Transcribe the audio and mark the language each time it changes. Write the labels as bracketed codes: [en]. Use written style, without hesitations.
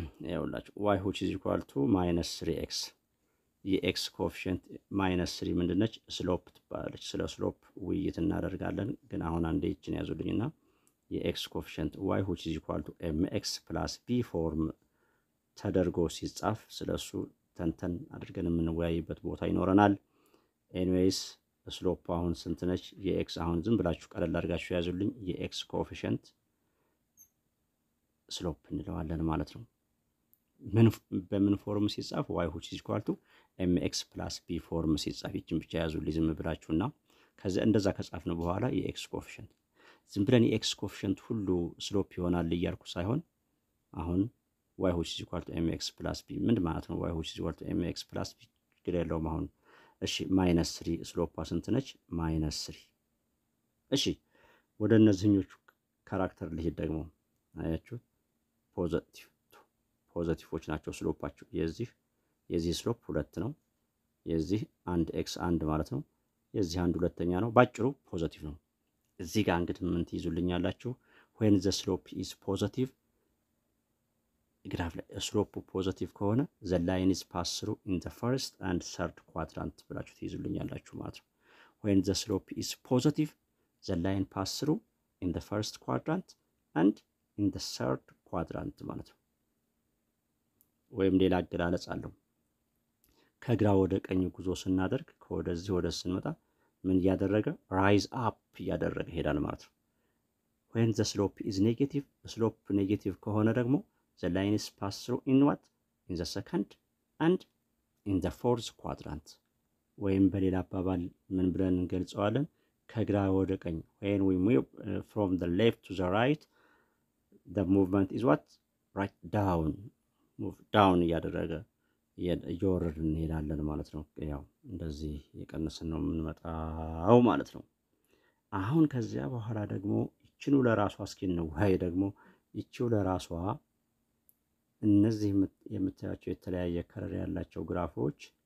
[am] ያውላችሁ [en] y which is equal to -3x [am] የx ኮኤፊሺየንት -3 ምንድነች? ስሎፕ ትባላለች። ስለ ስሎፕ ውይይት እናደርጋለን። ግን አሁን አንዴ እቺን ያዙልኝና የx ኮኤፊሺየንት [en] y which is equal to mx + b [am] ፎርም ተደርጎ ሲጻፍ ስለሱ ተንተን አድርገን ምን ወያይበት ቦታ ይኖረናል። anyways ስሎፕ አሁን ስንት ነች? የx አሁን ዝም ብላችሁ ቀለል አድርጋችሁ ያዙልኝ። የx ኮኤፊሺየንት ስሎፕ እንለዋለን ማለት ነው። ምን በምን ፎርም ሲጻፍ [en] y which is equal to mx + b [am] ፎርም ሲጻፍ እጭም ብቻ ያዙልኝ ዝም ብላችሁና ከዛ እንደዛ ከጻፍነው በኋላ የx ኮኤፊሺየንት ዝም ብለን የx ኮኤፊሺየንት ሁሉ ስሎፕ ይሆናል ይያልኩ ሳይሆን አሁን y which is equal to mx + b ምንድን ማለት ነው? [en] y which is equal to mx + b [am] ግዴለውም አሁን እሺ -3 ስሎፓ ስንት ነች? -3 እሺ ወደ እነዚህኞቹ ካራክተር ልሂድ ደግሞ አያችሁ ፖዚቲቭዎች ናቸው ስሎፓቸው። የዚህ ስሎፕ 2 ነው። የዚህ 1x 1 ማለት ነው። የዚህ 1 ሁለተኛ ነው። ባጭሩ ፖዚቲቭ ነው። እዚህ ጋር እንግዲህ ምን ትይዙልኛላችሁ? [en] when the slope is positive [am] ግራፍ ላይ ስሎፑ ፖዚቲቭ ከሆነ [en] the line is pass through in the first and third quadrant [am] ብላችሁ ትይዙልኛላችሁ ማለት ነው። [en] when the slope is positive the line pass through in the first quadrant and in the third quadrant ማለት ነው። [am] ወይም ሌላ አገላለጽ አለው። ከግራ ወደ ቀኝ ጉዞ ስናደርግ ከወደዚህ ወደ ስንመጣ ምን ያደረገ [en] rise up [am] ያደረገ ሄዳል ማለት ነው። [en] when the slope is negative slope negative [am] ከሆነ ደግሞ [en] the line is pass through in what in the second and in the fourth quadrant [am] ወይም በሌላ አባባል ምን ብለን እንገልጸዋለን? ከግራ ወደ ቀኝ [en] when we move from the left to the right the movement is what right down move down [am] ያደረገ የወረድ እንሄዳለን ማለት ነው። ያው እንደዚህ የቀነሰን ነው የምንመጣው ማለት ነው። አሁን ከዚያ በኋላ ደግሞ እቺኑ ለራሷ ስኪን ነው ወይ ደግሞ እቺው ለራሷ እነዚህ የምታያቸው የተለያየ ከለር ያላቸው ግራፎች